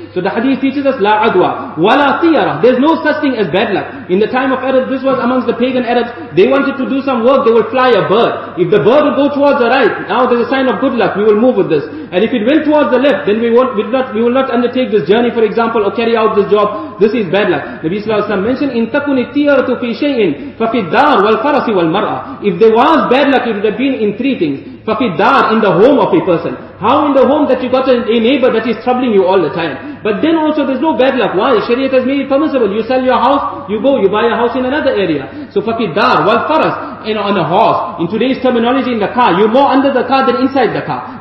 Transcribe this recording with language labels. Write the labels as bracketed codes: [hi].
[en] So the hadith teaches us, [ar] La adwa, wala tiyara. [en] There's no such thing as bad luck. In the time of Arabs, this was amongst the pagan Arabs. They wanted to do some work, they would fly a bird. If the bird would go towards the right, now there's a sign of good luck, we will move with this. And if it went towards the left, then we will not undertake this journey, for example, or carry out this job. This is bad luck. Nabi Sallallahu Alaihi Wasallam mentioned, [ar] إِن تَكُنِ تِيَرَةُ فِي شَيْءٍ فَفِي الدَّارِ وَالْفَرَسِ وَالْمَرْأَةِ. [en] If there was bad luck, it would have been in 3 things. [ar] فَفِي الدَّارِ, [en] in the home of a person. How in the home that you got a neighbor that is troubling you all the time? But then also there's no bad luck. Why? Shariat has made it permissible. You sell your house, you go, you buy a house in another area. So [ar] فَفِي الدَّارِ وَالْفَرَسِ, [en] you know, on a horse. In today's terminology, in the car, you're more under the car than inside the car.